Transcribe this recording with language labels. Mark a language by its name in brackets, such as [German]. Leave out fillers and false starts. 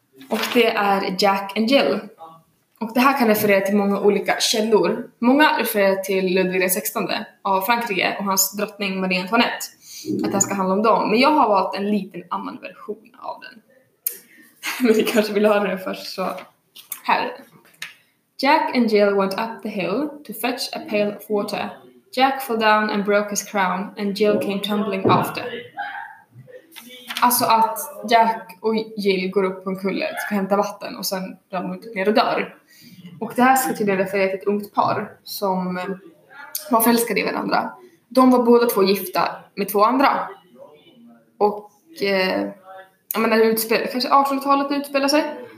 [Swedish] Och det är Jack and Jill. Och det här kan referera till många olika källor. Många refererar till Ludvig den 16:e av Frankrike och hans drottning Marie Antoinette. Att det ska handla om dem. Men jag har valt en liten annan version av den. Men ni kanske vill höra det först. Så här. [English] Jack and Jill went up the hill to fetch a pail of water. Jack fell down and broke his crown. And Jill came tumbling after. [Swedish] Alltså att Jack och Jill går upp på en kulle. Ska hämta vatten. Och sen ramlar de ner och dör. Och det här ska tydligen referera till ett ungt par. Som var förälskade i varandra. De var båda två gifta med två andra. Och jag menar, det utspelade, kanske 1800-talet utspelade sig.